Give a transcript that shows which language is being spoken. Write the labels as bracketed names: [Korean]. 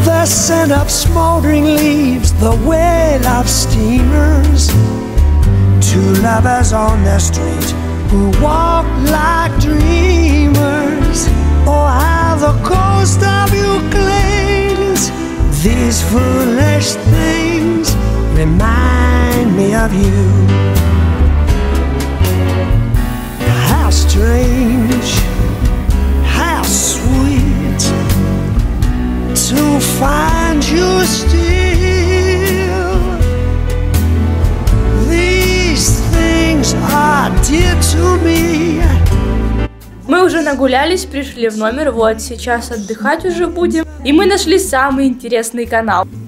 [English] Send up smoldering leaves, the wail of steamers. Two lovers on the street who walk like dreamers. Oh, how the coast of you clings. These foolish things remind me of you. How strange, how sweet to find. You still, these things are dear to me. [Russian] Мы уже нагулялись, пришли в номер, вот сейчас отдыхать уже будем. И мы нашли самый интересный канал.